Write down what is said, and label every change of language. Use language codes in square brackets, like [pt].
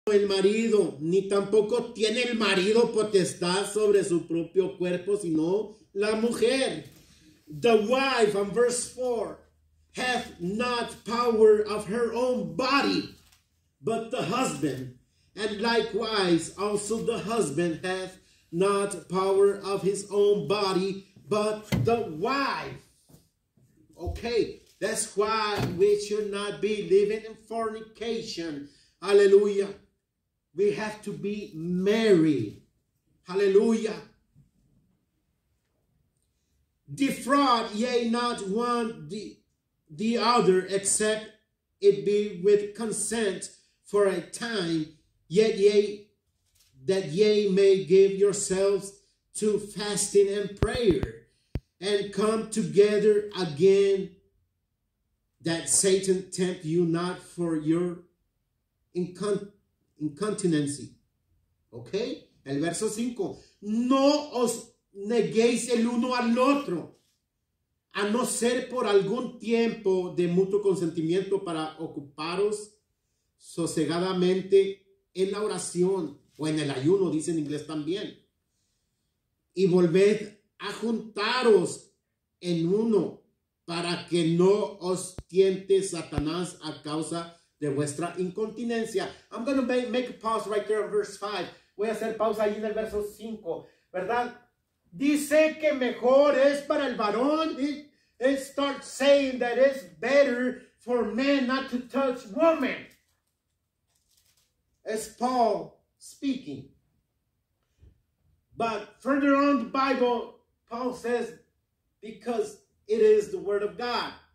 [es] el marido, ni tampoco tiene el marido potestad sobre su propio cuerpo, sino la mujer. [en] The wife, on verse 4, hath not power of her own body, but the husband. And likewise, also the husband hath not power of his own body, but the wife. Okay, that's why we should not be living in fornication. Hallelujah. We have to be married. Hallelujah. Defraud ye not one the other, except it be with consent for a time, yet ye that ye may give yourselves to fasting and prayer, and come together again, that Satan tempt you not for your incontinency. [es] Okay? El verso 5. No os neguéis el uno al otro, a no ser por algún tiempo de mutuo consentimiento para ocuparos sosegadamente en la oración, o en el ayuno, dice en inglés también. Y volved a juntaros en uno, para que no os tiente Satanás a causa de vuestra incontinencia. [en] I'm going to make a pause right there in verse 5. [es] Voy a hacer pausa ahí en el verso 5. ¿Verdad? Dice que mejor es para el varón. [en] It starts saying that it's better for men not to touch women. It's Paul speaking. But further on the Bible, Paul says, because it is the word of God.